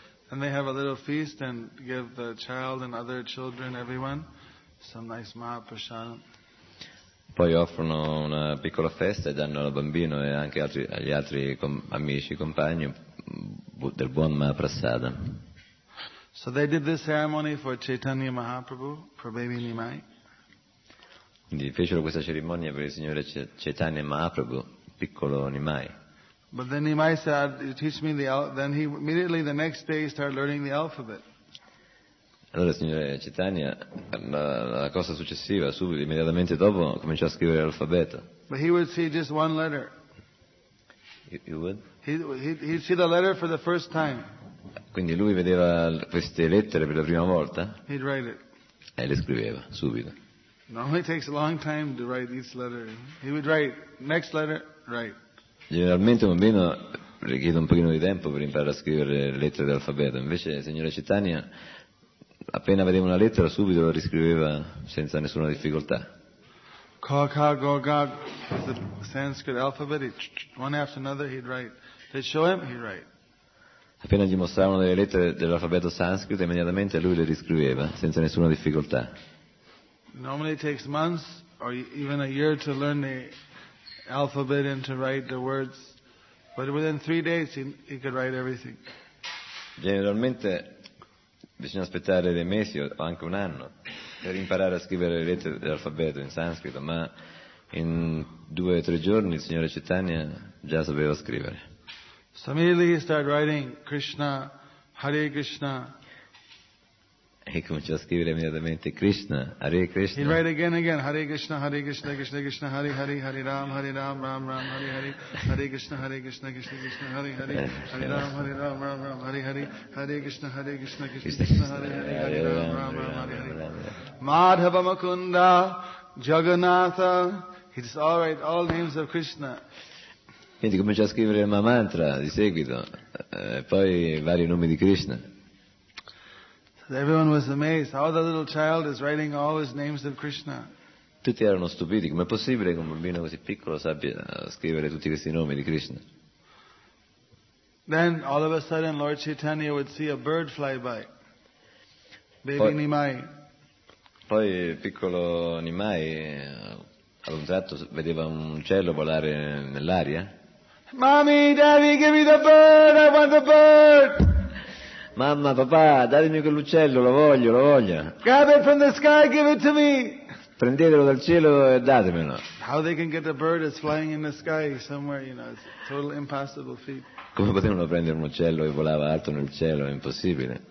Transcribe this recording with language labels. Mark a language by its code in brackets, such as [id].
[en] And they have a little feast and give the child and other children, everyone, some nice mahaprasadam. [it] Poi offrono una piccola festa e danno al bambino e anche agli altri amici, compagni, del buon mahaprasadam. [en] So they did this ceremony for Chaitanya Mahaprabhu, for baby Nimai. [it] Quindi fecero questa cerimonia per il signore Chaitanya Mahaprabhu, piccolo Nimai. [en] But then Nimai said, "You teach me the." Then he immediately the next day started learning the alphabet. [it] Allora, signore Chaitanya, la cosa successiva, subito, immediatamente dopo, cominciò a scrivere l'alfabeto. [en] But he would see just one letter. You would? He'd see the letter for the first time. [it] Quindi lui vedeva queste lettere per la prima volta. [en] He'd write it. [it] E le scriveva subito. [en] Normally takes a long time to write each letter. He would write next letter, write. [it] Generalmente un bambino richiede un pochino di tempo per imparare a scrivere le lettere dell'alfabeto. Invece il signore Chaitanya appena vedeva una lettera subito la riscriveva senza nessuna difficoltà. [en] Ka ka go ga is the Sanskrit alphabet. One after another he'd write. They'd show him, he'd write. [it] Appena gli mostravano delle lettere dell'alfabeto sanscrito immediatamente lui le riscriveva senza nessuna difficoltà. [en] Normally it takes months or even a year to learn the alphabet and to write the words, but within 3 days he could write everything. [it] Generalmente bisogna aspettare dei mesi o anche un anno per imparare a scrivere le lettere dell'alfabeto in sanscrito, ma in 2 o 3 giorni il signore Chaitanya già sapeva scrivere. [en] So immediately he started writing Krishna, Hare Krishna. [it] E cominciò a scrivere immediatamente Krishna, Hare Krishna. [en] He'd write again, Hare Krishna, Hare Krishna, Krishna Krishna, Hare Hare, Hare Ram, Hare Ram, Ram Ram, Hare Hare, Hare Krishna, Hare Krishna, Krishna Krishna, Hare Hare, Hare Ram, Hare Ram, Ram Ram, Hare Hare, Hare Krishna, Hare Krishna, Krishna Krishna, Hare Hare, Hare Ram, Ram Ram, Hare Hare. Madhava Mukunda, Jagannatha, he'd just all write all names of Krishna. [it] Quindi cominciò a scrivere il mantra di seguito, poi vari nomi di Krishna. [en] Everyone was amazed how the little child is writing all his names of Krishna. [it] Tutti erano stupiti, come è possibile che un bambino così piccolo sappia scrivere tutti questi nomi di Krishna? [en] Then all of a sudden Lord Chaitanya would see a bird fly by. Baby Nimai. [it] Poi piccolo Nimai ad un tratto vedeva un uccello volare nell'aria. [en] Mommy, daddy, give me the bird. I want the bird. [it] Mamma, papà, datemi quell'uccello, lo voglio, lo voglio. [en] Grab it from the sky, give it to me. [it] Prendetelo dal cielo e datemelo. [en] How they can get a bird that's flying in the sky somewhere, you know, it's a total impossible feat. [it] Come potevano prendere un uccello che volava alto nel cielo? È impossibile.